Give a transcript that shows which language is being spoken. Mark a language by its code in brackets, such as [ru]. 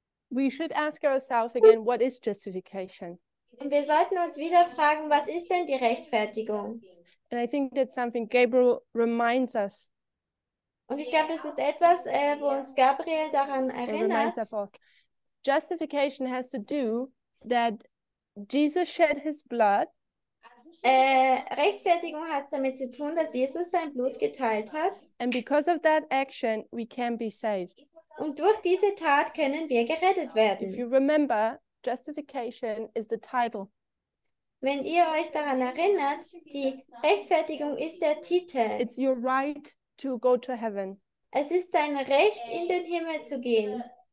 [en] We should ask ourselves again, what is justification? [de] Und wir sollten uns wieder fragen, was ist denn die Rechtfertigung? [en] And I think that's something Gabriel reminds us. [de] Und ich glaube, das ist etwas, wo uns Gabriel daran erinnert. [en] Justification has to do that Jesus shed his blood. [de] Rechtfertigung hat damit zu tun, dass Jesus sein Blut geteilt hat. [en] And because of that action, we can be saved. [de] Und durch diese Tat können wir gerettet werden. [en] If you remember, justification is the title. [de] Wenn ihr euch daran erinnert, die Rechtfertigung ist der Titel. [en] It's your right to go to heaven. [de] Es ist dein Recht, in den Himmel zu gehen.